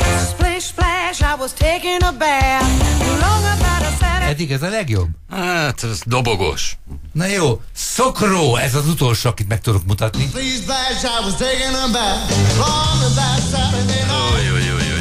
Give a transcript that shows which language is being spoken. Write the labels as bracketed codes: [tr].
[en] Splish, splash, I was taking a bath. [hu] Eddig ez a legjobb? Hát, ez dobogos. Na jó, Szokró, ez az utolsó, akit meg tudok mutatni. [en] Splish, splash, I was taking a bath long about Saturday night.